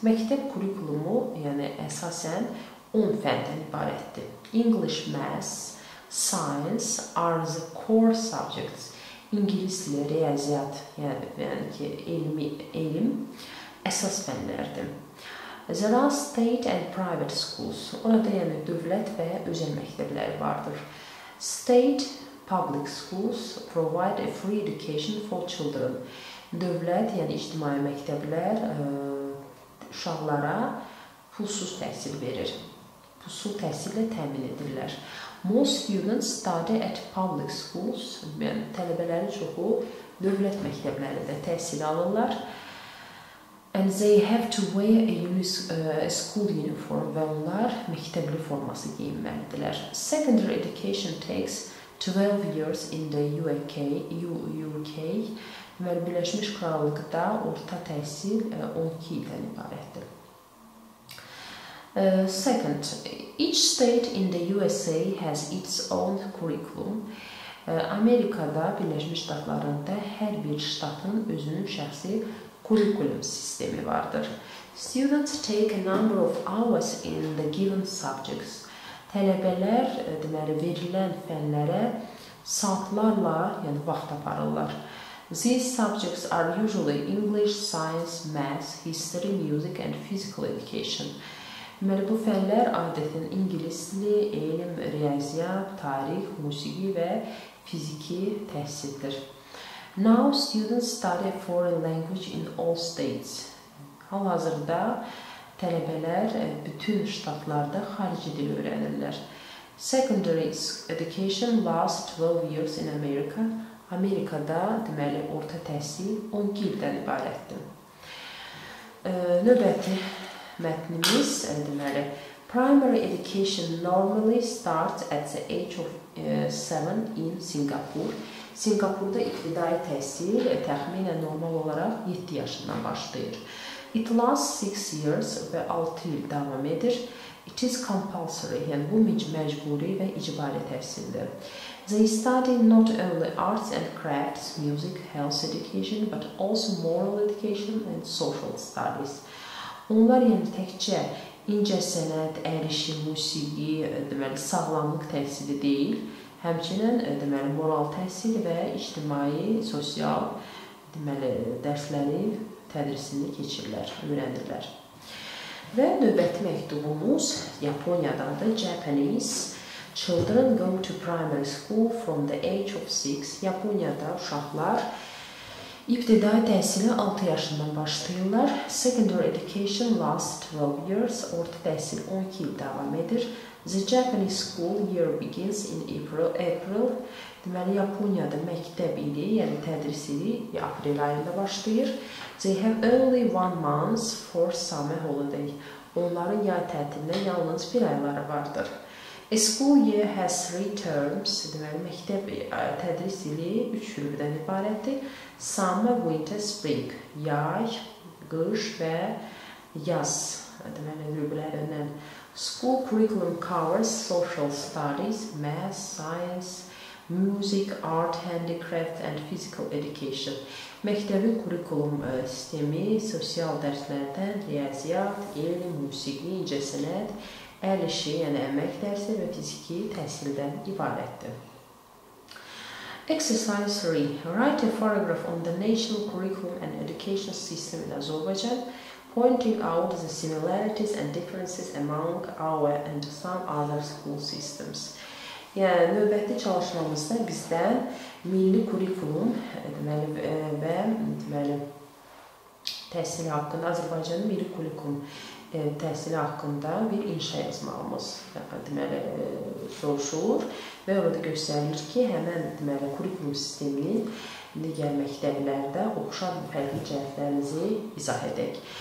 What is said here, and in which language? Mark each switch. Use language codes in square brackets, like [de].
[az] Məktəb kurikulumu, yəni əsasən 10 fəndən ibarətdir. [en] English, math, science are the core subjects. [az] İngilis dili, riyaziyyat, yəni ki, elm əsas fənlərdir. [en] There are state and private schools. [az] Orada yəni dövlət və özəl məktəbləri vardır. [en] State, Public schools provide a free education for children. [az] Dövlət, yəni ictimai məktəblər uşaqlara pulsuz təhsil verir. Pulsuz təhsillə təmin edirlər. [en] Most students study at public schools. [az] Yəni tələbələrin çoxu dövlət məktəblərində təhsil alırlar. [en] And they have to wear a school uniform. [az] Və onlar məktəbli forması geyinməlidirlər. [en] Secondary education takes 12 years in the UK, [az] və Birləşmiş Krallıqda orta təhsil 12 ildən ibarətdir. [en] Second, each state in the USA has its own curriculum. [az] Amerikada, Birləşmiş Ştatlarında hər bir ştatın özünün şəxsi kurikulum sistemi vardır. [en] Students take a number of hours in the given subjects. [az] Tələbələr, deməli, verilən fənlərə saatlarla, yəni vaxt aparırlar. [en] These subjects are usually English, science, math, history, music and physical education. [az] Deməli, bu fənlər adətən ingilisli, elm, riyaziyyat, tarix, musiqi və fiziki təhsildir. [en] Now students study foreign language in all states. [az] Hal-hazırda tələbələr bütün ştatlarda xarici dil öyrənirlər. [en] Secondary education lasts 12 years in America. [az] Amerikada deməli orta təhsil 12 ildən ibarətdir. Növbəti mətnimiz deməli [en] primary education normally starts at the age of 7 in Singapore. [az] Singapurda ibtidai təhsil təxminən normal olaraq 7 yaşından başlayır. [en] It lasts 6 years [az] və 6 il davam edir. [en] It is compulsory, [az] yəni bu məcburi və icbari təhsildir. [en] They study not only arts and crafts, music, health education, but also moral education and social studies. [az] Onlar yəni təkcə incəsənət, ərişi, musiqi, deməli, sağlamlıq təhsili deyil, həmçinin deməli, moral təhsil və ictimai, sosial deməli, dərsləri tədrisini keçirlər, öyrənirlər. Və növbəti məktubumuz Yaponiyadandır. [en] Japanese children go to primary school from the age of 6. [az] Yaponiyada uşaqlar ibtidai təhsili 6 yaşından başlayırlar. [en] Secondary education lasts 12 years. [az] Orta təhsil 12 il davam edir. [en] The Japanese school year begins in April. [az] Deməli, Yaponiyada məktəb ili, yəni tədris ili aprel ayında başlayır. [en] They have only 1 month for summer holiday. [az] Onların yay tətilində yalnız bir ayları vardır. [en] A school year has 3 terms. [az] Deməli, məktəb tədris ili 3 hürbdən ibarətdir. [en] Summer, winter, spring. [az] Yay, qış və yaz. Deməli, hürblərindən. [en] School curriculum covers social studies, math, science, music, art, handicraft and physical education. [az] Məktəbin kurikulum sistemi sosial dərslərdən riyaziyyat, elm, musiqi, incəsənət, əlişi, yəni əmək dərsi və fiziki təhsildən ibarətdir. [en] Exercise 3. Write a paragraph on the national curriculum and education system in Azerbaijan, pointing out the similarities and differences among our and some other school systems. [az] Yəni, növbəti çalışmamızda bizdən milli kurikulum deməli, və deməli, təhsili haqqında, Azərbaycanın milli kurikulum təhsili haqqında bir inşa yazmamız deməli, soruşulur və orada göstərilir ki, həmən deməli, kurikulum sisteminin digər məktəblərdə oxşar fərqli cəhətlərinizi izah edək.